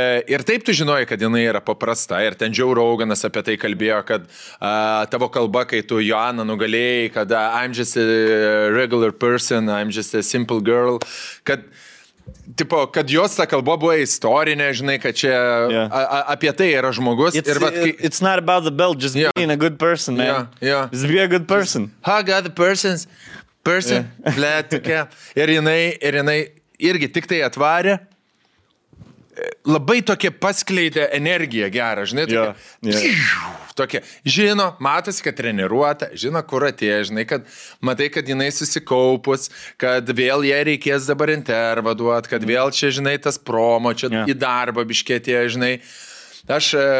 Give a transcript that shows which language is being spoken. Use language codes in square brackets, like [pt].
[lt] Ir taip tu žinoji, kad jinai yra paprasta. Ir ten Joe Roganas apie tai kalbėjo, kad tavo kalba, kai tu Joanna nugalėjai, kad [en] I'm just a regular person, I'm just a simple girl, [lt] kad, tipo, kad jos ta kalba buvo istorinė, žinai, kad čia apie tai yra žmogus. [en] It's, [lt] ir vat, kai... [en] it's not about the belt, just being a good person, man. Just be a good person. Hug other persons. Person, [lt] blėt, tokia. Ir jinai irgi tik tai atvarė. Labai tokia paskleidė energiją gerą, žinai, tokia. Tokia, žino, matosi, kad treniruota, žino, kur atėjo, žinai, kad matai, kad jinai susikaupus, kad vėl jai reikės dabar intervaduot, kad vėl čia, žinai, tas promo, čia į darbą biškėtė, žinai. Aš...